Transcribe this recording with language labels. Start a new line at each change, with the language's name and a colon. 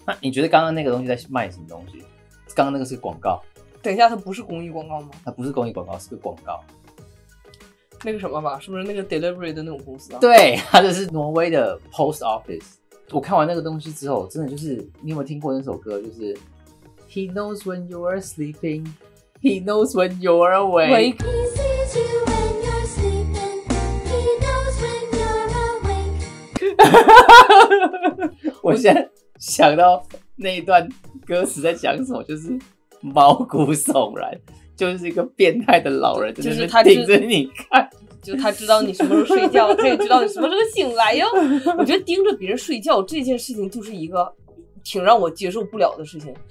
Chinese: 那你觉得刚刚那个东西在卖什么东西？刚刚那个是个广告。等一下，它不是公益广告吗？它不是公益广告，是个广告。那个什么吧，是不是那个 delivery 的那种公司啊？对，它就是挪威的 post office。我看完那个东西之后，真的就是，你有没有听过那首歌？
English: 就是 He knows when you're sleeping, He knows when you're awake. He sees you when you're sleeping, He knows when you're awake.
Chinese: 我现在想到那一段歌词在讲什么，就是毛骨悚然，就是一个变态的老人在那边盯着你看。就他知道你什么时候睡觉，他也知道你什么时候醒来哟。我觉得盯着别人睡觉这件事情就是一个挺让我接受不了的事情。